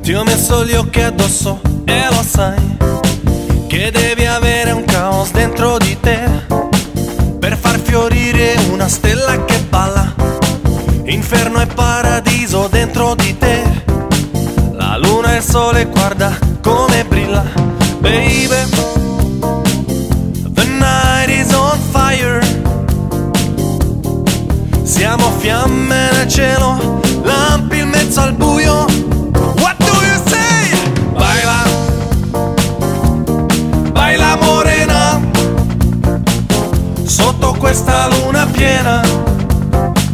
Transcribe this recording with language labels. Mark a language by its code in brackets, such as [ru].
[it] Ti ho messo gli occhi addosso e lo sai che devi avere un caos dentro di te per far fiorire una stella che balla. Inferno e paradiso dentro di te. La luna e il sole guarda come brilla. [en] Baby, the night is on fire. [it] Siamo fiamme nel cielo, lampi in mezzo al buio. [en] What do you say? [es] Baila, baila morena, [it] sotto questa luna piena.